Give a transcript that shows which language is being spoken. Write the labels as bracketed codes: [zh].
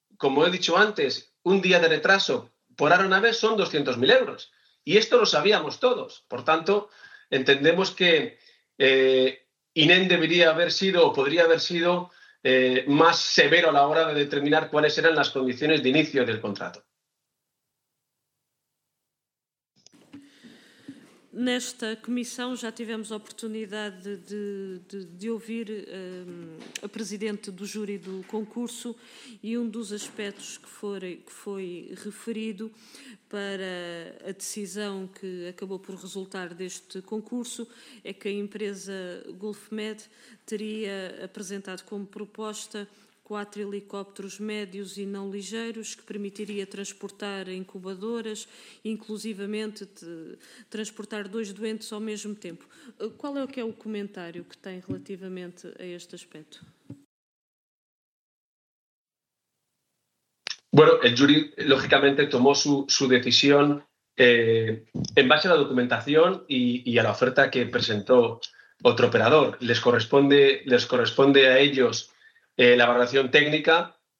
[es] Como he dicho antes, un día de retraso por aeronave son 200.000 euros. Y esto lo sabíamos todos. Por tanto, entendemos que INEN debería haber sido o podría haber sido más severo a la hora de determinar cuáles eran las condiciones de inicio del contrato. [pt] Nesta comissão já tivemos a oportunidade de ouvir a presidente do júri do concurso e um dos aspectos que foi referido para a decisão que acabou por resultar deste concurso é que a empresa Gulfmed teria apresentado como proposta 4 helicópteros médios e não ligeiros, que permitiria transportar incubadoras, inclusivamente transportar 2 doentes ao mesmo tempo. Qual é o que é o comentário que tem relativamente a este aspecto? [es] Bueno, el jury, lógicamente, tomó su decisión en base a la documentación y a la oferta que presentó otro operador. Les corresponde a ellos la valoración técnica.